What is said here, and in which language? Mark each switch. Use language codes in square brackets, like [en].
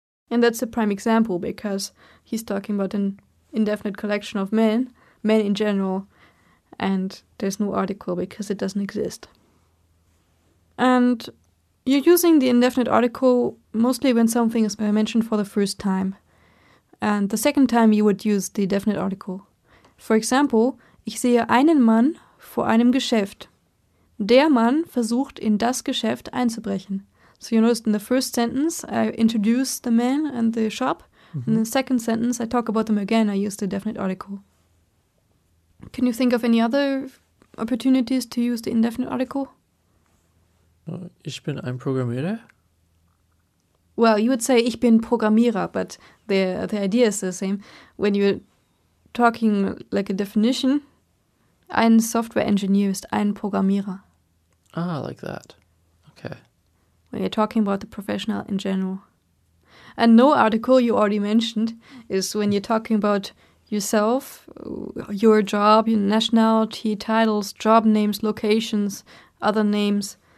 [en] And that's a prime example, because he's talking about an indefinite collection of men, men in general, and there's no article because it doesn't exist. And you're using the indefinite article mostly when something is mentioned for the first time. And the second time you would use the definite article. For example, [de] ich sehe einen Mann vor einem Geschäft. Der Mann versucht in das Geschäft einzubrechen. [en] So you notice in the first sentence I introduce the man and the shop. In the second sentence, I talk about them again, I use the definite article. Can you think of any other opportunities to use the indefinite article? [de] Ich bin ein Programmierer. [en] Well, you would say [de] ich bin Programmierer, [en] but the idea is the same. When you're talking like a definition, [de] ein Software Engineer ist ein Programmierer. [en] Ah, like that. Okay. When you're talking about the professional in general. And no article, you already mentioned, is when you're talking about yourself, your job, your nationality, titles, job names, locations, other names.